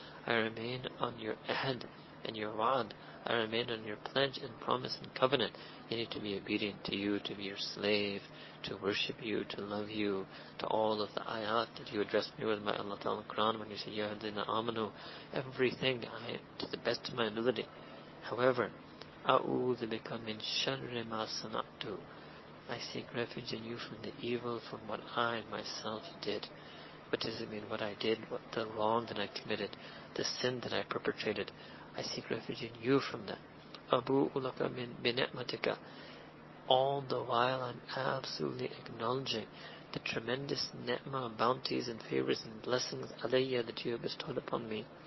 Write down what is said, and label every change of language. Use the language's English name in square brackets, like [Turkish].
[English] I remain on your ahd and your wa'ad. I remain on your pledge and promise and covenant. You need to be obedient to you, to be your slave, to worship you, to love you, to all of the ayat that you address me with, my Allah Ta'ala Quran, when you say, Ya Hadina Amanu, everything, I, to the best of my ability, However, [Arabic] أعوذ بك من شر ما صنعت. [English] I seek refuge in you from the evil, from what I myself did. What does it mean? What I did, what the wrong that I committed, the sin that I perpetrated. I seek refuge in you from that. [Arabic] أبوء لك من بنعمتك. [English] All the while I'm absolutely acknowledging the tremendous ni'mah, bounties and favors and blessings alayya that you have bestowed upon me.